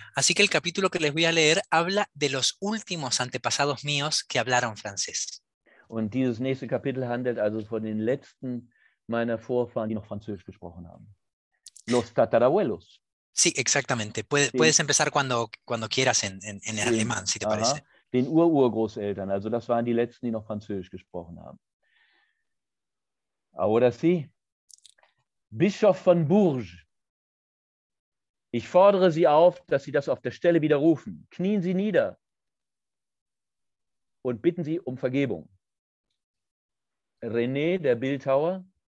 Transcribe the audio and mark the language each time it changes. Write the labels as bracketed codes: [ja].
[es] Así que el capítulo que les voy a leer habla de los últimos antepasados míos que hablaron francés. [de] Und dieses nächste Kapitel handelt also von den letzten meiner Vorfahren, die noch Französisch gesprochen haben. [es] Los Tatarabuelos. Sí, exactamente. Puedes empezar cuando quieras en el alemán, si te parece. [de] Den Ururgroßeltern, also das waren die letzten, die noch Französisch gesprochen haben. [es] Ahora sí. [de] Bischof von Bourges, ich fordere Sie auf, dass Sie das auf der Stelle widerrufen. Knien Sie nieder und bitten Sie um Vergebung. René, der Bildhauer,